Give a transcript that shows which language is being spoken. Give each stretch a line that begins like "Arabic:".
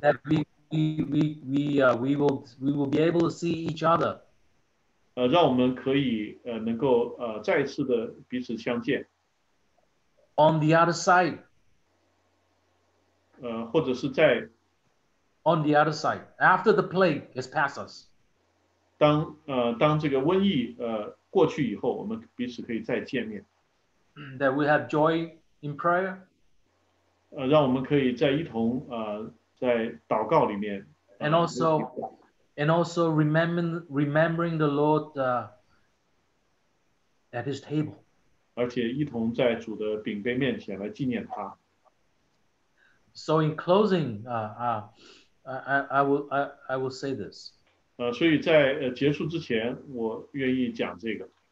English: that we will be able to see each other，
Chinese: 让我们可以能够再次的彼此相见。
English: On the other side，
Chinese: 或者是在。
English: On the other side， after the plague has passed us，
Chinese: 当这个瘟疫。过去以后，我们彼此可以再见面。
English: That we have joy in prayer.
Chinese: 让我们可以在一同在祷告里面。
English: And also remembering the Lord at His table.
Chinese: 而且一同在主的饼杯面前来纪念他。
English: So in closing, I will say this.
Chinese: 所以在结束之前，我愿意讲这个。